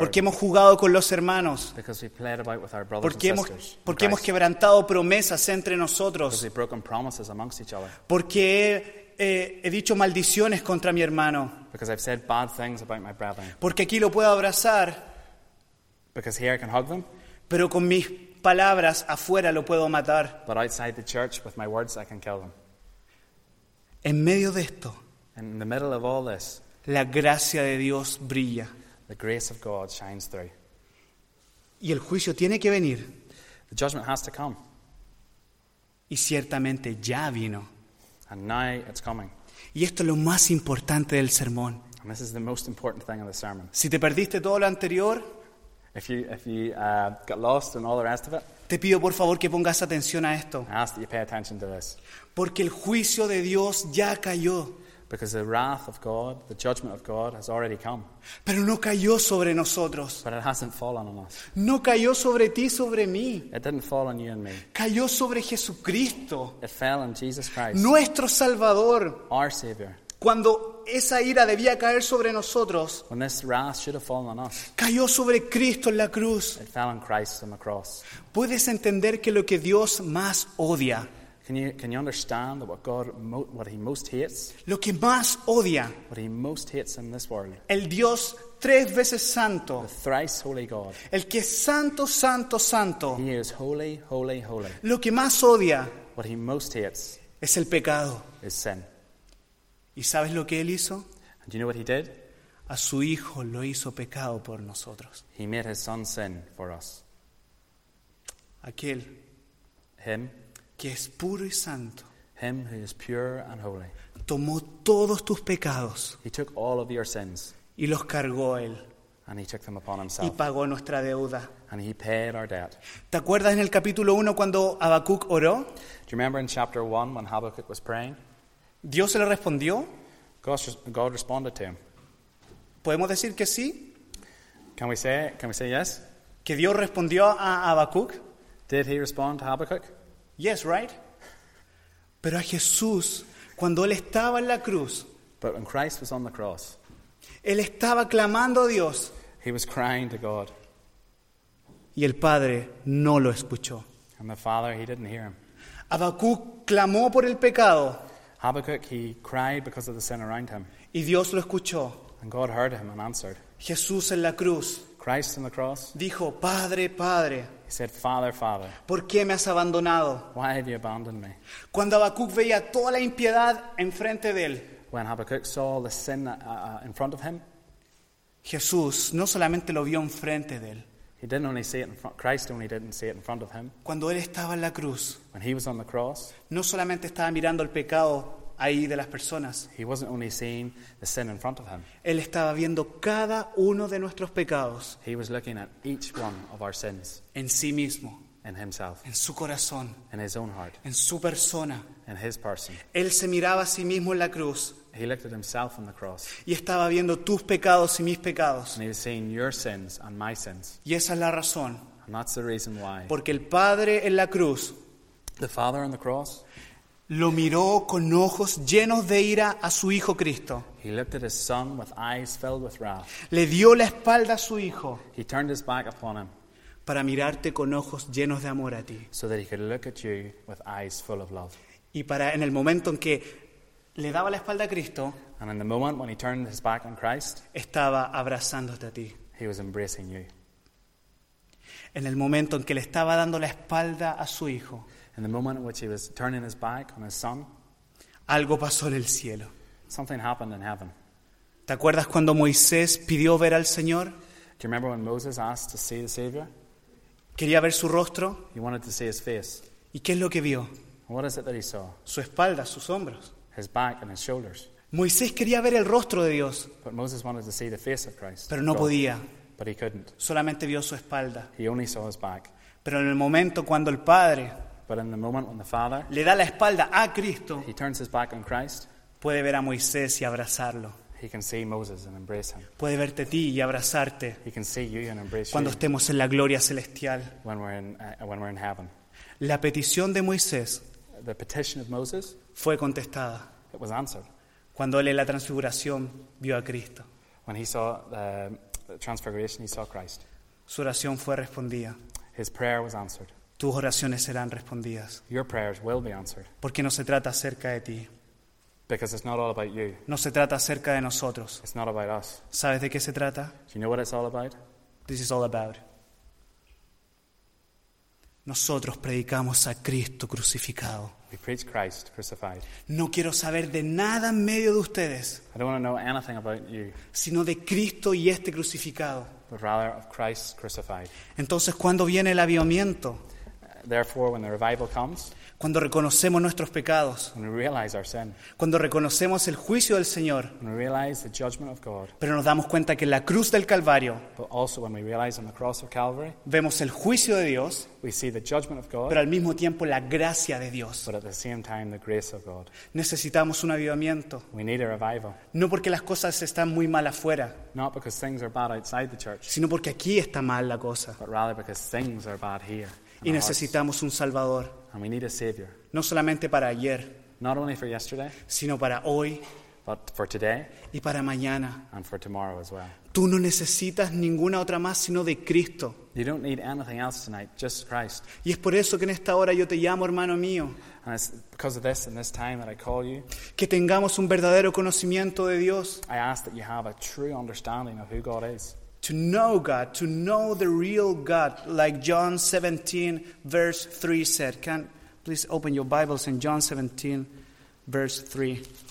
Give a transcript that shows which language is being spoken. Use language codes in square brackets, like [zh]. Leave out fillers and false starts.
[es] Porque hemos jugado con los hermanos. [en] Because we played about with our brothers and sisters. [es] Porque hemos quebrantado promesas entre nosotros. [en] Because we've broken promises amongst each other. [es] Porque he dicho maldiciones contra mi hermano. [en] Because I've said bad things about my brother. [es] Porque aquí lo puedo abrazar. [en] Because here I can hug them. [es] Pero con mis palabras afuera lo puedo matar. [en] But outside the church, with my words, I can kill them. [es] En medio de esto, [en] in the middle of all this, [es] la gracia de Dios brilla. [en] The grace of God shines through. [es] Y el juicio tiene que venir. [en] The judgment has to come. [es] Y ciertamente ya vino. [en] And now it's coming. [es] Y esto es lo más importante del sermón. [en] And this is the most important thing of the sermon. [es] Si te perdiste todo lo anterior, [en] If you got lost and all the rest of it, [es] te pido por favor que pongas atención a esto. [en] I ask that you pay attention to this. [es] Porque el juicio de Dios ya cayó. [en] Because the wrath of God, the judgment of God has already come. [es] Pero no cayó sobre nosotros. [en] But it hasn't fallen on us. [es] No cayó sobre ti, sobre mí. [en] It didn't fall on you and me. [es] Cayó sobre Jesucristo. [en] It fell on Jesus Christ. [es] Nuestro Salvador. [en] Our Savior. [es] Cuando esa ira debía caer sobre nosotros, [en] when this wrath should have fallen on us, [es] cayó sobre Cristo en la cruz. [en] It fell on Christ on the cross. [es] ¿Puedes entender que lo que Dios más odia, [en] can you understand that what God, what he most hates, [es] lo que más odia, [en] what he most hates in this world, [es] el Dios tres veces santo, [en] the thrice holy God, [es] el que es santo, santo, santo, [en] he is holy, holy, holy, [es] lo que más odia, [en] what he most hates, [es] es el pecado, [en] is sin. [es] ¿Y sabes lo que Él hizo? [en] And do you know what he did? [es] A su Hijo lo hizo pecado por nosotros. [en] He made his son sin for us. [es] Aquel. [en] Him. [es] Que es puro y santo. [en] Him who is pure and holy. [es] Tomó todos tus pecados. [en] He took all of your sins. [es] Y los cargó Él. [en] And he took them upon himself. [es] Y pagó nuestra deuda. [en] And he paid our debt. [es] ¿Te acuerdas en el capítulo 1 cuando Habacuc oró? [en] Do you remember in chapter 1 when Habacuc was praying? [es] ¿Dios se le respondió? [en] God responded to him. [es] ¿Podemos decir que sí? [en] Can we say yes? [es] ¿Que Dios respondió a Habacuc? [en] Did he respond to Habacuc? Yes, right? [es] Pero a Jesús, cuando él estaba en la cruz, [en] but when Christ was on the cross, [es] él estaba clamando a Dios. [en] He was crying to God. [es] Y el Padre no lo escuchó. [en] And the Father, he didn't hear him. [es] Habacuc clamó por el pecado. [en] Habakkuk, he cried because of the sin around him. [es] Y Dios lo escuchó. [en] And God heard him and answered. [es] Jesús en la cruz. [en] Christ on the cross. [es] Dijo, Padre, Padre. [en] He He said, Father, Father, [es] ¿por qué me has abandonado? [en] Why have you abandoned me? [es] Cuando Habacuc veía toda la impiedad enfrente de él. [en] When Habakkuk saw the sin in front of him, [es] Jesús no solamente lo vio enfrente de él. [en] He didn't only see it in front. Christ only didn't see it in front of him. [es] Cuando él estaba en la cruz, [en] when he was on the cross, [es] no solamente estaba mirando el pecado ahí de las personas. [en] He wasn't only seeing the sin in front of him. [es] Él estaba viendo cada uno de nuestros pecados. [en] He was looking at each one of our sins. [es] En sí mismo. [en] In himself. [es] En su corazón. [en] In his own heart. [es] En su persona. [en] In his person. [es] Él se miraba a sí mismo en la cruz. [en] He looked at himself on the cross. [es] Y estaba viendo tus pecados y mis pecados. [en] And he was seeing your sins and my sins. [es] Y esa es la razón. [en] And that's the reason why. [es] Porque el Padre en la cruz. [en] The Father on the cross. [es] Lo miró con ojos llenos de ira a su Hijo Cristo. [en] He looked at his son with eyes filled with wrath. [es] Le dio la espalda a su Hijo. [en] He turned his back upon him. [es] Para mirarte con ojos llenos de amor a ti. [en] So that he could look at you with eyes full of love. [es] Y para en el momento en que le daba la espalda a Cristo. [en] And in the moment when he turned his back on Christ. [es] Estaba abrazándote a ti. [en] He was embracing you. [es] En el momento en que le estaba dando la espalda a su Hijo. [en] In the moment in which he was turning his back on his son, [es] algo pasó en el cielo. [en] Something happened in heaven. [es] ¿Te acuerdas cuando Moisés pidió ver al Señor? [en] Do you remember when Moses asked to see the Savior? [es] Quería ver su rostro. [en] He wanted to see his face. [es] ¿Y qué es lo que vio? [en] What is it that he saw? [es] Su espalda, sus hombros. [en] His back and his shoulders. [es] Moisés quería ver el rostro de Dios. [en] But Moses wanted to see the face of Christ. [es] Pero no podía. [en] But he couldn't. [es] Solamente vio su espalda. [en] He only saw his back. [es] Pero en el momento cuando el Padre. [en] But in the moment when the Father, [es] le da la espalda a Cristo, [en] he turns his back on Christ, [es] puede ver a Moisés y abrazarlo. [en] He can see Moses and embrace him. [es] Puede verte a ti y abrazarte. [en] He can see you and embrace [es] cuando [en] you. [es] Estemos en la gloria celestial. [en] When we're in heaven. [es] La petición de Moisés, [en] the petition of Moses, [es] fue contestada. [en] It was answered. [es] Cuando él en la transfiguración vio a Cristo. [en] When he saw the transfiguration, he saw Christ. [es] Su oración fue respondida. [en] His prayer was answered. [es] Tus oraciones serán respondidas. [en] Your prayers will be answered. [es] Porque no se trata acerca de ti. [en] Because it's not all about you. [es] No se trata acerca de nosotros. [en] It's not about us. [es] ¿Sabes de qué se trata? [en] Do you know what it's all about? This is all about. [es] Nosotros predicamos a Cristo crucificado. [en] We preach Christ crucified. [es] No quiero saber de nada en medio de ustedes. [en] I don't want to know anything about you. [es] Sino de Cristo y este crucificado. [en] But rather of Christ crucified. [es] Entonces, ¿cuándo viene el avivamiento? [en] Therefore, when the revival comes, [es] cuando reconocemos nuestros pecados, [en] when we realize our sin, [es] cuando reconocemos el juicio del Señor, [en] when we realize the judgment of God, [es] pero nos damos cuenta que en la cruz del Calvario, [en] but also when we realize on the cross of Calvary, [es] vemos el juicio de Dios, [en] we see the judgment of God, [es] pero al mismo tiempo la gracia de Dios, [en] but at the same time the grace of God. [es] Necesitamos un avivamiento. [en] We need a revival. [es] No porque las cosas están muy mal afuera, [en] not because things are bad outside the church, [es] sino porque aquí está mal la cosa, [en] but rather because things are bad here. [es] Y necesitamos un Salvador. [en] And we need a Savior. [es] No solamente para ayer. [en] Not only for yesterday, [es] sino para hoy. [en] But for today, [es] y para mañana. [en] And for tomorrow as well. [es] Tú no necesitas ninguna otra más sino de Cristo. [en] You don't need anything else tonight, just Christ. [es] Y es por eso que en esta hora yo te llamo, hermano mío. [en] And it's because of this, in this time that I call you, [es] que tengamos un verdadero conocimiento de Dios. [en] I ask that you have a true understanding of who God is. To know God, to know the real God, like John 17, verse 3 said. Can please open your Bibles in John 17, verse 3.